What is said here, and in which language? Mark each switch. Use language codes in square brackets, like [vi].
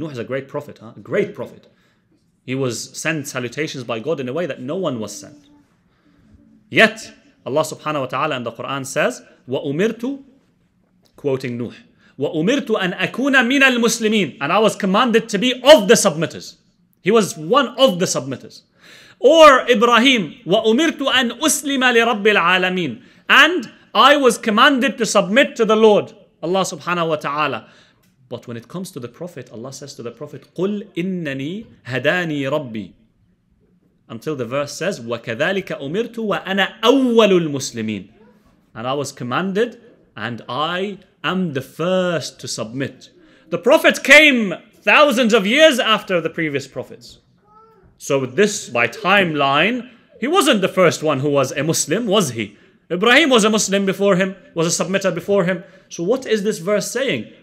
[en] Nuh is a great prophet, a great prophet. He was sent salutations by God in a way that no one was sent. Yet, Allah subhanahu wa ta'ala in the Quran says, وَأُمِرْتُ, quoting Nuh, [ar] وَأُمِرْتُ أَنْ أَكُونَ مِنَ الْمُسْلِمِينَ. [en] And I was commanded to be of the submitters. He was one of the submitters. Or Ibrahim, [ar] وَأُمِرْتُ أَنْ أُسْلِمَ لِرَبِّ الْعَالَمِينَ. [en] And I was commanded to submit to the Lord, Allah subhanahu wa ta'ala. But when it comes to the Prophet, Allah says to the Prophet, [ar] قُلْ إِنَّنِي هَدَانِي رَبِّي. [en] Until the verse says, [ar] وَكَذَلِكَ أُمِرْتُ وَأَنَا أَوَّلُ الْمُسْلِمِينَ. [en] And I was commanded, and I am the first to submit. The Prophet came thousands of years after the previous Prophets. So with this, by timeline, he wasn't the first one who was a Muslim, was he? Ibrahim was a Muslim before him, was a submitter before him. So what is this verse saying?